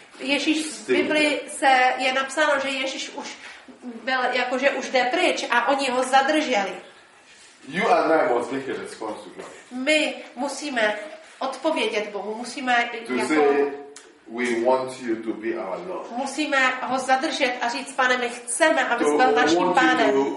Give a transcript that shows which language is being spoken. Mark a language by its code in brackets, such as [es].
[cs] Ježíš v Biblii se je napsáno, že Ježíš už byl jako že už jde pryč a oni ho zadrželi. [en] You and I must make a response to God. [cs] My musíme odpovědět Bohu, musíme to jako [en] say, we want you to be our Lord. [cs] Musíme ho zadržet a říct, Pane, my chceme, abys byl naším Pánem.